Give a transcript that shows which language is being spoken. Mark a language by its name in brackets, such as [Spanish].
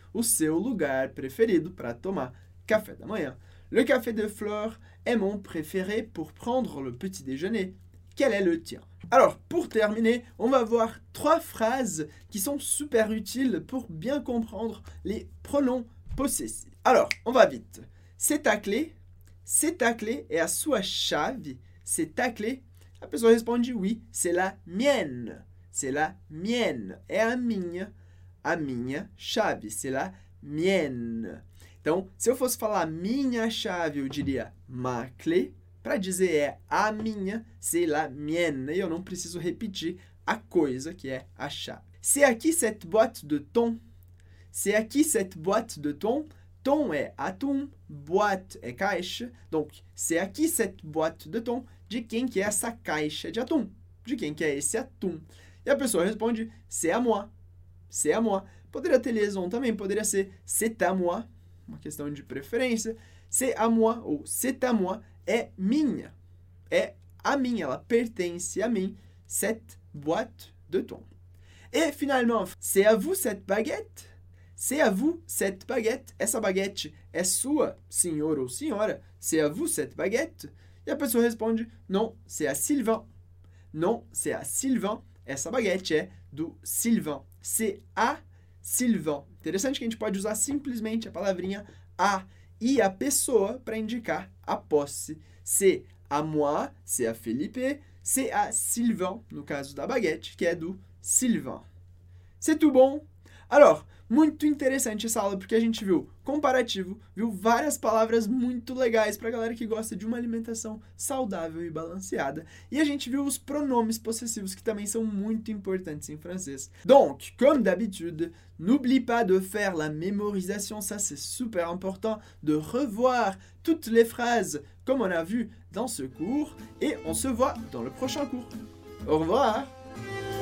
[Portuguese] O seu lugar preferido para tomar café da manhã. [French] Le café de fleurs est mon préféré pour prendre le petit déjeuner. Quel est le tien? Alors, pour terminer, on va voir trois phrases qui sont super utiles pour bien comprendre les pronoms possessifs. Alors, on va vite. C'est ta clé? C'est ta clé et [Portuguese] à sua chave, [French] c'est ta clé. [Portuguese] A pessoa responde [French] oui, c'est la mienne. C'est la mienne. [Portuguese] É a minha chave, [French] c'est la mienne. [Portuguese] Então, se eu fosse falar minha chave, eu diria [French] ma clé. [Portuguese] Para dizer é a minha, [French] c'est la mienne. [Portuguese] E eu não preciso repetir a coisa que é a chave. [French] C'est à qui cette boîte de thon? C'est à qui cette boîte de thon? [Portuguese] Thon é atum, boîte é caixa. [French] Donc, c'est à qui cette boîte de thon? [Portuguese] De quem que é essa caixa de atum? De quem que é esse atum? E a pessoa responde, [French] c'est à moi. C'est à moi. [Portuguese] Poderia ter liaison também, poderia ser [French] c'est à moi. [Portuguese] Uma questão de preferência. [French] C'est à moi ou c'est à moi [Portuguese] é minha. É a mim, ela pertence a mim. [French] Cette boîte de thon. E, finalement, c'est à vous cette baguette? C'est à vous cette baguette. [Portuguese] Essa baguete é sua, senhor ou senhora? [French] C'est à vous cette baguette? [Portuguese] E a pessoa responde, [French] non, c'est à Sylvain. Non, c'est à Sylvain. [Portuguese] Essa baguete é do Sylvain. [French] C'est à Sylvain. [Portuguese] Interessante que a gente pode usar simplesmente a palavrinha a e a pessoa para indicar a posse. [French] C'est à moi, c'est à Felipe, c'est à Sylvain, [Portuguese] no caso da baguete, que é do Sylvain. [French] C'est tout bon? Alors, [Portuguese] Muito interessante essa aula, porque a gente viu comparativo, viu várias palavras muito legais para a galera que gosta de uma alimentação saudável e balanceada. E a gente viu os pronomes possessivos, que também são muito importantes em francês. [French] Donc, comme d'habitude, n'oublie pas de faire la mémorisation, ça c'est super important, de revoir toutes les phrases comme on a vu dans ce cours, et on se voit dans le prochain cours. Au revoir!